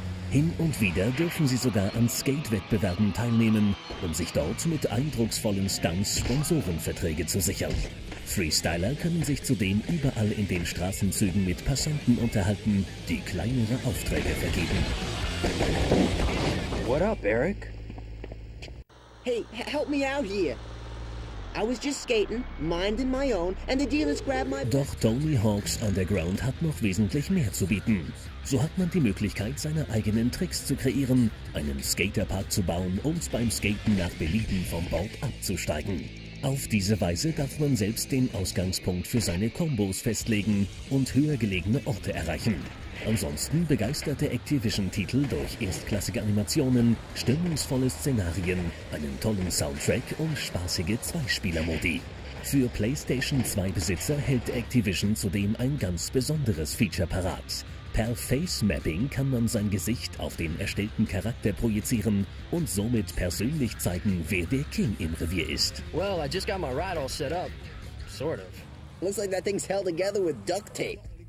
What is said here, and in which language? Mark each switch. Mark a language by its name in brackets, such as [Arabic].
[German] Hin und wieder dürfen sie sogar an Skate-Wettbewerben teilnehmen, um sich dort mit eindrucksvollen Stunts Sponsorenverträge zu sichern. Freestyler können sich zudem überall in den Straßenzügen mit Passanten unterhalten, die kleinere Aufträge vergeben. [English] What up, Eric? Hey, help me out here. I was just skating, minding my own, and the dealers grabbed my... [German] Doch Tony Hawk's Underground hat noch wesentlich mehr zu bieten. So hat man die Möglichkeit, seine eigenen Tricks zu kreieren, einen Skaterpark zu bauen und beim Skaten nach Belieben vom Board abzusteigen. Auf diese Weise darf man selbst den Ausgangspunkt für seine Kombos festlegen und höher gelegene Orte erreichen. Ansonsten begeistert der Activision-Titel durch erstklassige Animationen, stimmungsvolle Szenarien, einen tollen Soundtrack und spaßige Zweispieler-Modi. Für PlayStation 2-Besitzer hält Activision zudem ein ganz besonderes Feature parat. Per Face Mapping kann man sein Gesicht auf den erstellten Charakter projizieren und somit persönlich zeigen, wer der King im Revier ist. [English] Well, I just got my ride all set up. Sort of. Looks like that thing's held together with duct tape.